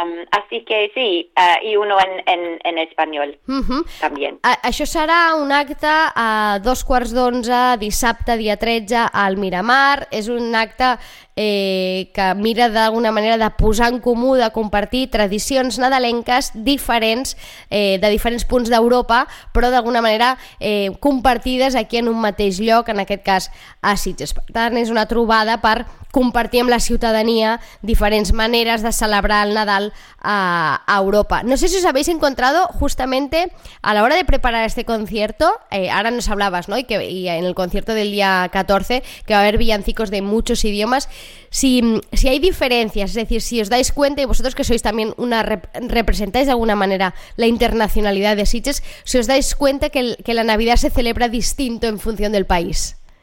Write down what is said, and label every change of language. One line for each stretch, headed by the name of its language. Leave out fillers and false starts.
Spanish: Así que sí, y uno en español también.
Catalan: Això serà un acte a 10:15, dissabte, dia 13, al Miramar. És un acte que mira d'alguna manera de posar en comú, de compartir tradicions nadalenques diferents, de diferents punts d'Europa, però d'alguna manera compartides aquí en un mateix lloc, en aquest cas a Sitges. Per tant, és una trobada per compartir amb la ciutadania diferents maneres de celebrar el Nadal a Europa.
Spanish: No sé si os habéis encontrado justamente a la hora de preparar este concierto, ahora nos hablabas, ¿no? Y en el concierto del día 14, que va a haber villancicos de muchos idiomas, si hay diferencias, es decir, si os dais cuenta, y vosotros que sois también representáis de alguna manera la internacionalidad de Sitges, si os dais cuenta que la Navidad se celebra distinto en función del país.